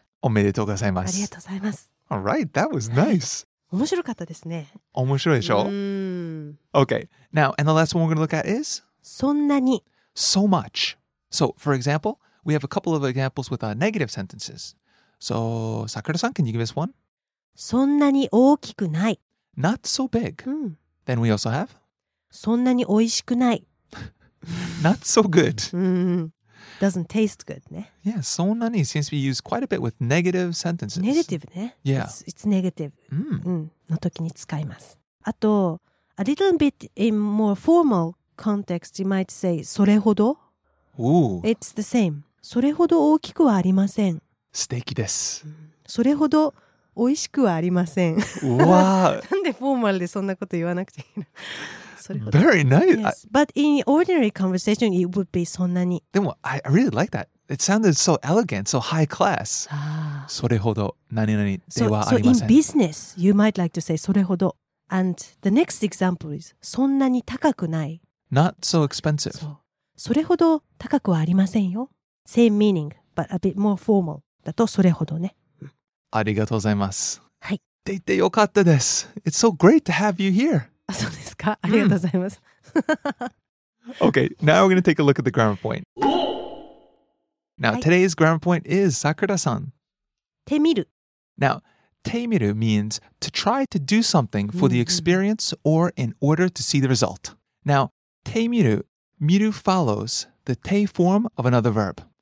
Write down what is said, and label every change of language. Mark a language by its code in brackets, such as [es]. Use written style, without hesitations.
[ja] おめでとうございます。ありがとうございます。 [en] All right, that was nice. [ja] 面白かったですね。面白いでしょ? [en] Okay, now, and the last one we're going to look at is? [ja] そんなに。 [en] So much. So, for example, we have a couple of examples with negative sentences. So, Sakura-san, can you give us one? [ja] そんなに大きくない。 [en] Not so big. Then we also have? [ja] そんなに美味しくない。 [en] Not so good. Doesn't taste good, ne? Yeah, そんなに seems to be used quite a bit with negative sentences. Negative, ne? Yeah. It's negative. [ja] の時に使います。あと、 [en] a little bit in more formal context, you might say, それほど? Ooh. It's the same. [ja] それほど大きくはありません。素敵です。それほど美味しくはありません。わー。なんでフォーマルでそんなこと言わなくていいの? [en] Very nice. Yes, but in ordinary conversation, it would be そんなに. でも, I really like that. It sounded so elegant, so high class. [ja] それほど何々ではありません。 [en] So in business, you might like to say それほど. And the next example is そんなに高くない. Not so expensive. [ja] それほど高くはありませんよ. [en] Same meaning, but a bit more formal. [ja] だとそれほどね. ありがとうございます. はい。でいてよかったです. [en] It's so great to have you here. [ja] そうですか。ありがとうございます。 [en] Okay, now we're going to take a look at the grammar point. Now, today's grammar point is Sakura-san. [ja] てみる。 [en] Now, てみる means to try to do something for the experience or in order to see the result. Now, てみる、みる follows the て form of another verb.